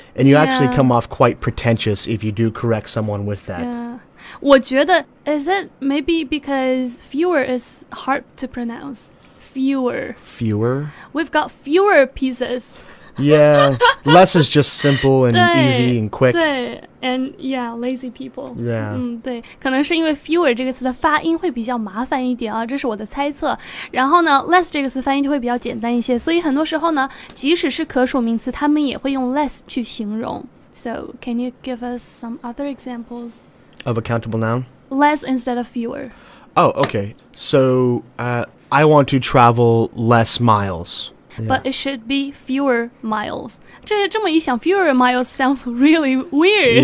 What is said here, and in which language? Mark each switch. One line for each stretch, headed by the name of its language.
English: And you actually come off quite pretentious if you do correct someone with that. Yeah.
Chinese: 我觉得,
English: is it maybe because fewer is hard to pronounce? Fewer. Fewer? We've got fewer pieces. Yeah. Less is just simple and easy and quick. 对 And yeah, lazy people. Yeah.
Chinese: 对可能是因为 fewer 这个词的发音会比较麻烦一点啊这是我的猜测。然后呢 less 这个词发音就会比较简单一些所以很多时候呢即使是可数名词他们也会用 less 去形容。
English: So, can you give us some other examples? Of a countable noun? Less instead of fewer. Oh, okay. So, I want to travel less miles. But it should be fewer miles.
Chinese: 这么一想,
English: fewer miles sounds really weird.